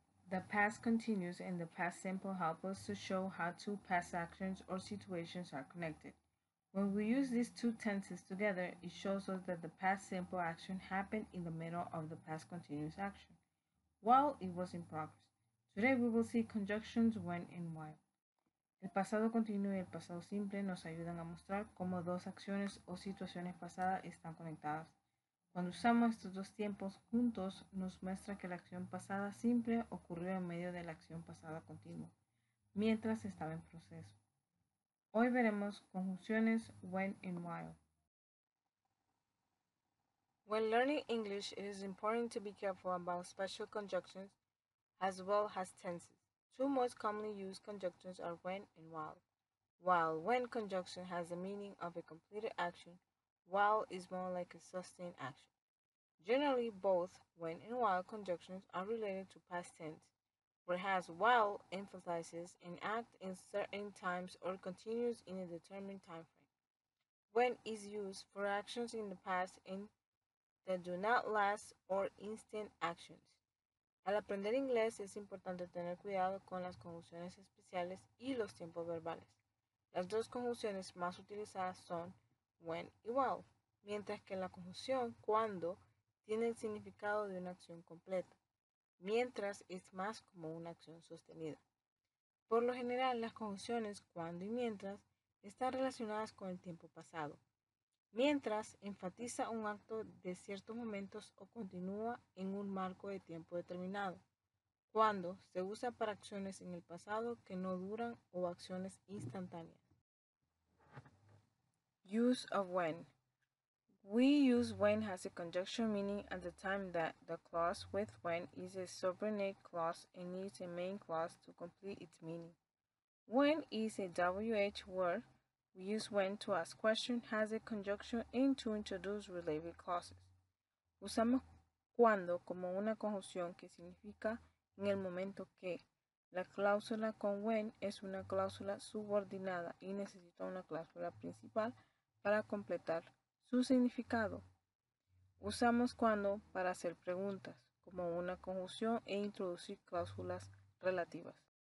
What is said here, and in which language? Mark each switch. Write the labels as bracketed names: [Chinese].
[English] The past continuous and the past simple help us to show how two past actions or situations are connected. When we use these two tenses together, it shows us that the past simple action happened in the middle of the past continuous action, while it was in progress. Today, we will see conjunctions, when, and while. [Spanish] El pasado continuo y el pasado simple nos ayudan a mostrar cómo dos acciones o situaciones pasadas están conectadas. Cuando usamos estos dos tiempos juntos, nos muestra que la acción pasada simple ocurrió en medio de la acción pasada continua, mientras estaba en proceso. Hoy veremos conjunciones when and while. [English] When learning English, it is important to be careful about special conjunctions as well as tenses. Two most commonly used conjunctions are when and while. While when conjunction has the meaning of a completed action, while is more like a sustained action. Generally, both when and while conjunctions are related to past tense, whereas while emphasizes an act in certain times or continues in a determined time frame. When is used for actions in the past and that do not last or instant actions. [Spanish] Al aprender inglés es importante tener cuidado con las conjunciones especiales y los tiempos verbales. Las dos conjunciones más utilizadas son when y while, mientras que la conjunción cuando tiene el significado de una acción completa, mientras es más como una acción sostenida. Por lo general, las conjunciones cuando y mientras están relacionadas con el tiempo pasado. Mientras enfatiza un acto de ciertos momentos o continúa en un marco de tiempo determinado. Cuando se usa para acciones en el pasado que no duran o acciones instantáneas. [English] Use of when. We use when as a conjunction meaning at the time that the clause with when is a subordinate clause and needs a main clause to complete its meaning. When is a WH word. We use when to ask question has a conjunction and to introduce related clauses. [Spanish] Usamos cuando como una conjunción que significa en el momento que. La cláusula con when es una cláusula subordinada y necesita una cláusula principal para completar su significado. Usamos cuando para hacer preguntas como una conjunción e introducir cláusulas relativas.